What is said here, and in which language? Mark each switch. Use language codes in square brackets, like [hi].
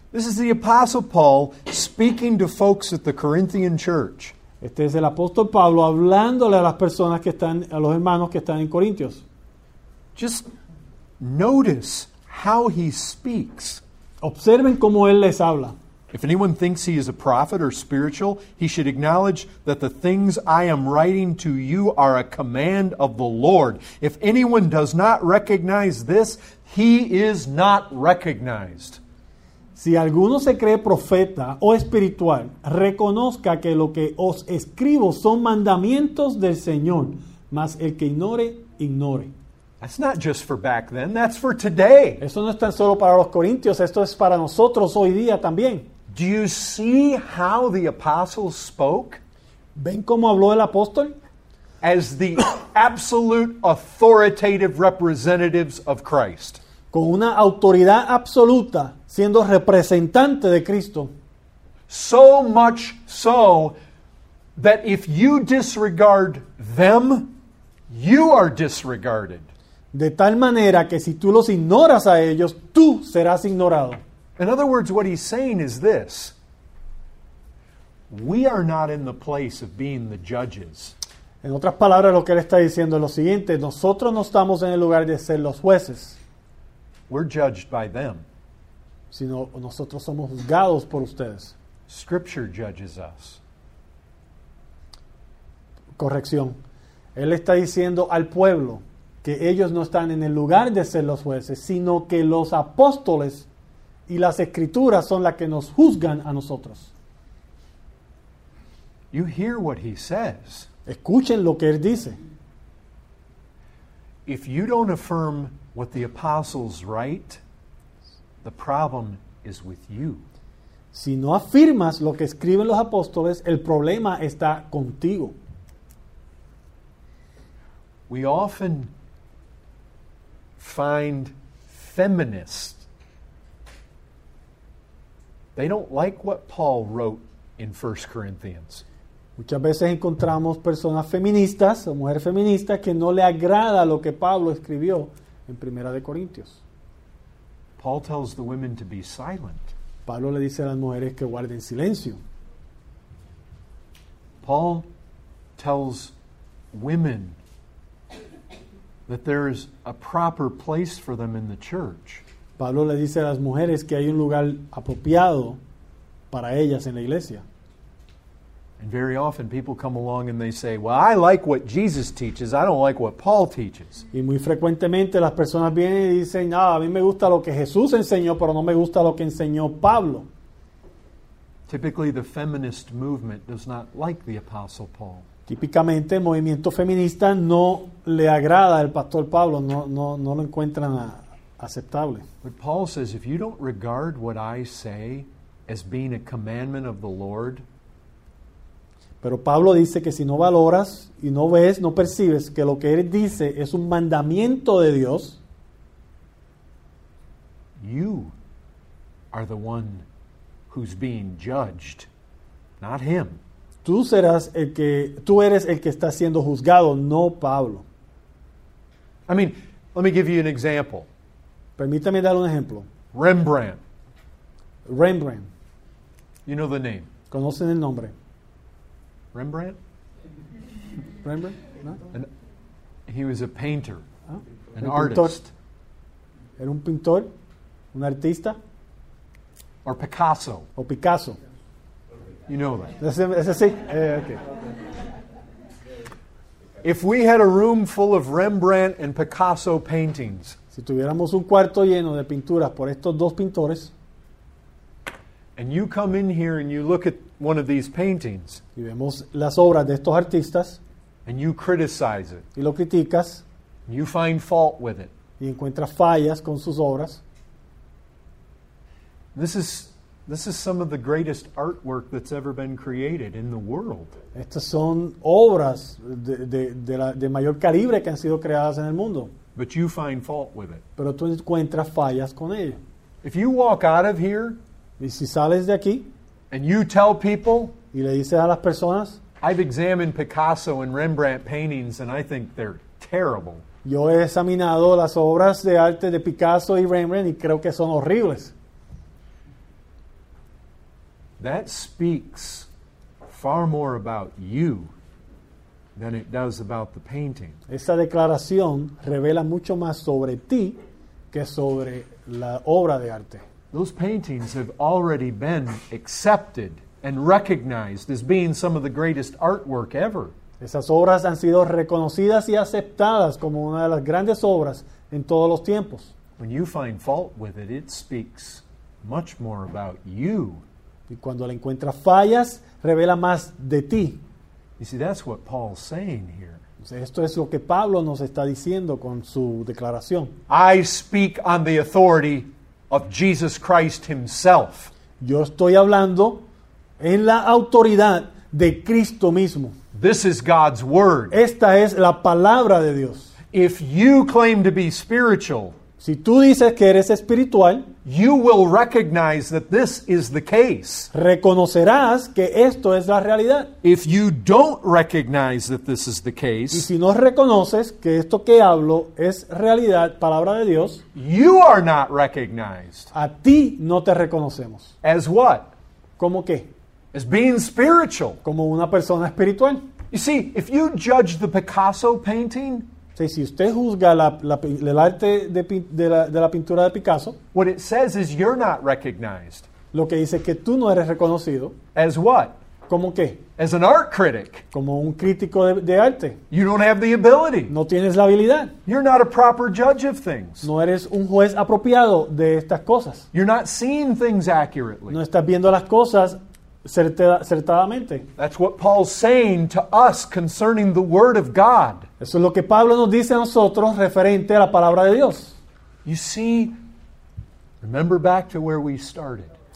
[en] This is the Apostle Paul speaking to folks at the Corinthian church. [es] Este es el apóstol Pablo hablándole a las personas que están, a los hermanos que están en Corintios. [en] Just notice how he speaks. [es] Observen cómo él les habla. [en] If anyone thinks he is a prophet or spiritual, he should acknowledge that the things I am writing to you are a command of the Lord. If anyone does not recognize this, he is not recognized. [es] Si alguno se cree profeta o espiritual, reconozca que lo que os escribo son mandamientos del Señor, mas el que ignore, ignore. [en] That's not just for back then, that's for today. [es] Eso no es tan solo para los corintios, esto es para nosotros hoy día también. [en] Do you see how the apostle spoke? [es] ¿Ven cómo habló el apóstol? [en] As the absolute authoritative representatives of Christ. [es] Con una autoridad absoluta, siendo representante de Cristo. [en] So much so that if you disregard them, you are disregarded. [es] De tal manera que si tú los ignoras a ellos, tú serás ignorado. [en] In other words, what he's saying is this. We are not in the place of being the judges. [es] En otras palabras, lo que él está diciendo es lo siguiente. Nosotros no estamos en el lugar de ser los jueces. [en] We're judged by them. [es] Sino nosotros somos juzgados por ustedes. [en] Scripture judges us. [es] Corrección. Él está diciendo al pueblo que ellos no están en el lugar de ser los jueces, sino que los apóstoles y las Escrituras son las que nos juzgan a nosotros. [en] You hear what he says. [es] Escuchen lo que él dice. [en] If you don't affirm what the apostles write, the problem is with you. [es] Si no afirmas lo que escriben los apóstoles, el problema está contigo. [en] We often find feminists. They don't like what Paul wrote in 1 Corinthians. [es] Muchas veces encontramos personas feministas o mujeres feministas que no le agrada lo que Pablo escribió en 1 de Corintios. [en] Paul tells the women to be silent. [es] Pablo le dice a las mujeres que guarden silencio. [en] Paul tells women that there is a proper place for them in the church. [es] Pablo le dice a las mujeres que hay un lugar apropiado para ellas en la iglesia. [en] And very often people come along and they say, well, I like what Jesus teaches, I don't like what Paul teaches. [es] Y muy frecuentemente las personas vienen y dicen, ah, a mí me gusta lo que Jesús enseñó, pero no me gusta lo que enseñó Pablo. [en] Typically the feminist movement does not like the Apostle Paul. [es] Típicamente el movimiento feminista no le agrada al pastor Pablo, no lo encuentran a aceptable. [en] But Paul says, if you don't regard what I say as being a commandment of the Lord, [es] pero Pablo dice que si no valoras y no ves, no percibes que lo que él dice es un mandamiento de Dios, [en] you are the one who's being judged, not him. [es] Tú eres el que está siendo juzgado, no Pablo. [en] I mean, let me give you an example. [es] Permítame dar un ejemplo. [en] Rembrandt. [es] Rembrandt. [en] You know the name. [es] ¿Conocen el nombre? [en] Rembrandt? [es] Rembrandt? No? [en] He was a painter. An artist. [es] Era un pintor, un artista. [en] Or Picasso. [es] O Picasso. [en] You know that. [es] Es así. Okay. [en] If we had a room full of Rembrandt and Picasso paintings. [es] Si tuviéramos un cuarto lleno de pinturas por estos dos pintores. [en] And you come in here and you look at one of these paintings. [es] Y vemos las obras de estos artistas. [en] And you criticize it. [es] Y lo criticas. [en] And you find fault with it. [es] Y encuentras fallas con sus obras. [en] This is some of the greatest artwork that's ever been created in the world. [es] Estas son obras de mayor calibre que han sido creadas en el mundo. [en] But you find fault with it. [es] Pero tú encuentras fallas con ella. [en] If you walk out of here, [es] y si sales de aquí, [en] and you tell people, [es] y le dices a las personas, [en] I've examined Picasso and Rembrandt paintings and I think they're terrible. [es] Yo he examinado las obras de arte de Picasso y Rembrandt y creo que son horribles. [en] That speaks far more about you than it does about the painting. [es] Esa declaración revela mucho más sobre ti que sobre la obra de arte. [en] Those paintings have already been accepted and recognized as being some of the greatest artwork ever. [es] Esas obras han sido reconocidas y aceptadas como una de las grandes obras en todos los tiempos. [en] When you find fault with it, it speaks much more about you. [es] Y cuando le encuentras fallas, revela más de ti. [en] You see, that's what Paul's saying here. [es] Esto es lo que Pablo nos está diciendo con su declaración. [en] I speak on the authority of Jesus Christ himself. [es] Yo estoy hablando en la autoridad de Cristo mismo. [en] This is God's word. [es] Esta es la palabra de Dios. [en] If you claim to be spiritual, [es] si tú dices que eres espiritual, [en] you will recognize that this is the case. [es] Reconocerás que esto es la realidad. [en] If you don't recognize that this is the case, [es] y si no reconoces que esto que hablo es realidad, palabra de Dios, [en] you are not recognized. [es] A ti no te reconocemos. [en] As what? [es] ¿Cómo qué? [en] As being spiritual. [es] Como una persona espiritual. [en] You see, if you judge the Picasso painting, [es] si usted juzga el arte de la pintura de Picasso, [en] what it says is you're not recognized. [es] Lo que dice es que tú no eres reconocido. [en] As what? [es] ¿Cómo qué? [en] As an art critic. [es] Como un crítico de arte. [en] You don't have the ability. [es] No tienes la habilidad. [en] You're not a proper judge of things. [es] No eres un juez apropiado de estas cosas. [en] You're not seeing things accurately. [es] No estás viendo las cosas acertadamente. [en] That's what Paul's saying to us concerning the word of God. [es] Eso es lo que Pablo nos dice a nosotros referente a la palabra de Dios. [en] You see, remember back to where we started.